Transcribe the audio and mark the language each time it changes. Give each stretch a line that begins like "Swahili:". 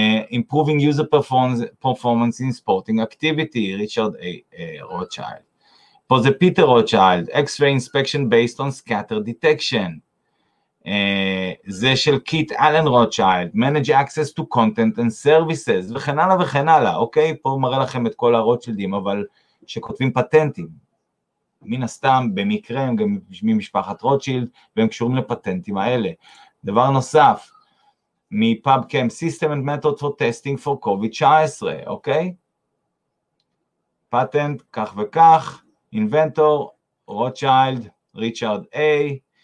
English: Improving user performance in sporting activity, Richard A. Rothschild.
Hebrew: פה זה פיטר רוטשיילד, X-ray inspection based on scatter detection. זה של קיט אלן רוטשיילד, manage access to content and services, וכן הלאה וכן הלאה, אוקיי? פה מראה לכם את כל הרוטשילדים, אבל שכותבים פטנטים, מן הסתם, במקרה, הם גם ממשפחת רוטשילד, והם קשורים לפטנטים האלה. דבר נוסף, מפאבקם, System and Method for Testing for COVID-19, אוקיי? פטנט, כך וכך, Inventor, Rothschild, Richard A.